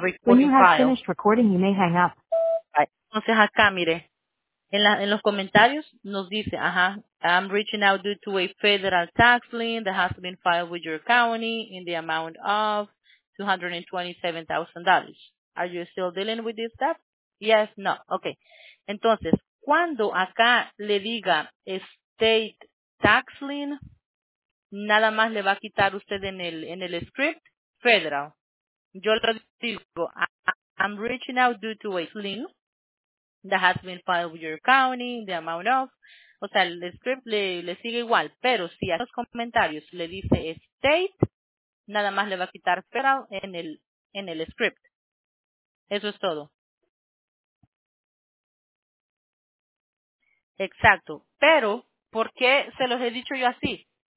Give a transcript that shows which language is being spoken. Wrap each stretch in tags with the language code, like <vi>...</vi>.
<en>When you have finished recording, you may hang up.</en> <es>Entonces acá, mire, en los comentarios nos dice, ajá,</es> <en>I'm reaching out due to a federal tax lien that has been filed with your county in the amount of $227,000. Are you still dealing with this stuff? Yes, no. Okay.</en> <es>Entonces, cuando acá le diga state tax lien, nada más le va a quitar usted en el script federal. Yo le digo,</es> <en>I'm reaching out due to a lien that has been filed with your county, the amount of.</en> <es>O sea, el script le sigue igual. Pero si a los comentarios le dice state, nada más le va a quitar federal en el script. Eso es todo. Exacto. Pero, ¿por qué se los he dicho yo así?</es>